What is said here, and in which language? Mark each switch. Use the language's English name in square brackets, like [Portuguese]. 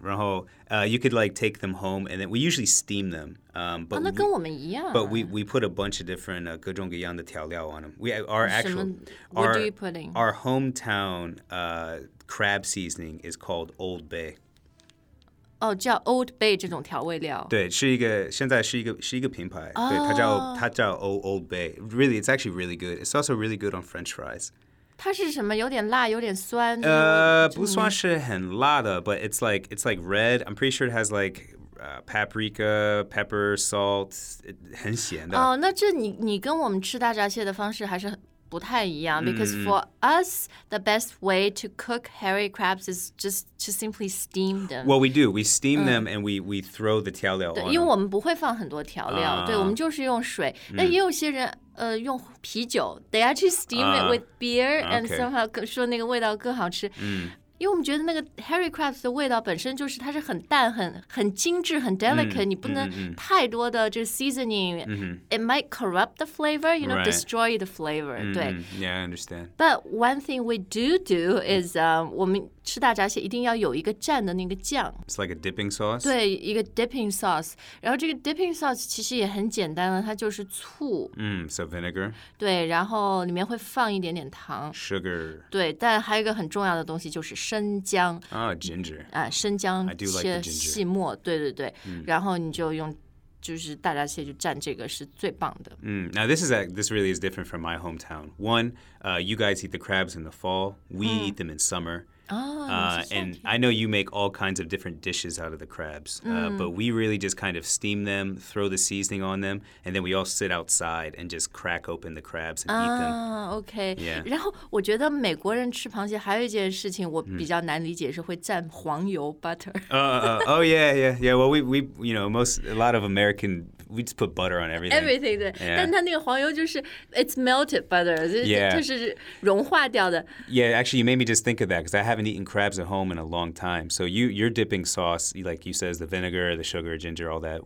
[English] 然后、you could like take them home and then we usually steam them.、but [Chinese] 那跟我们一样。 [English] But we put a bunch of different、 [Chinese] 各种各样的调料 [English] on them. We are actual. What do you put in? Our hometown、crab seasoning is called Old Bay. [Chinese] 哦、oh, ，叫 Old Bay 这种调味料，对，是一个现在是一个品牌， oh. 对，它叫 [English] Old Bay. Really, it's actually really good. It's also really good on French fries. [Chinese] 它是什么？有点辣，有点酸。不算是很辣的 ， [English] but it's like red. I'm pretty sure it has like、paprika, pepper, salt. [Chinese] 很咸的。哦、oh, ，那这你跟我们吃大闸蟹的方式还是不太一样、mm. [English] ，because for us the best way to cook hairy crabs is just to simply steam them. Well, we do. We steam、mm. them and we throw the 调料 on. [Chinese] 对，因为我们不会放很多调料， 对，我们就是用水。那、mm. 也有些人。用啤酒 ， [English] they actually steam it with beer、 okay. [Chinese] and somehow 说那个味道更好吃。因为我们觉得那个 hairy crabs 的味道本身就是它是很淡、很精致、很 delicate、你不能太多的就是 seasoning、 [English] it might corrupt the flavor, you know,、 right. destroy the flavor,、对。 Yeah, I understand. But one thing we do is、 [Chinese] 我们吃大闸蟹一定要有一个蘸的那个酱。 [English] It's like a dipping sauce? [Chinese] 对，一个 dipping sauce. 然后这个 dipping sauce 其实也很简单了，它就是醋。 [English] So vinegar? [Chinese] 对，然后里面会放一点点糖。 [English] Sugar. [Chinese] 对，但还有一个很重要的东西就是生姜 [English] ginger [Chinese] 啊，生姜 [English] I do、like、切 [Chinese] 细末，对对对， mm. 然后你就用，就是大闸蟹就蘸这个是最棒的。 [English] Now this really is different from my hometown. One, you guys eat the crabs in the fall. We、eat them in summer. And I know you make all kinds of different dishes out of the crabs,、but we really just kind of steam them, throw the seasoning on them, and then we all sit outside and just crack open the crabs and eat them. Okay. Yeah. [Chinese] 然后我觉得美国人吃螃蟹还有一件事情我比较难理解是会蘸黄油 butter. [English] Oh yeah. Well, we you know a lot of American we just put butter on everything. Everything. 对、 yeah. [Chinese] 但它那个黄油就是 [English] it's melted butter. Yeah. [Chinese] 就是融化掉的。 [English] Yeah. Actually, you made me just think of that because I haven't eaten crabs at home in a long time. So your dipping sauce, like you said, is the vinegar, the sugar, ginger, all that.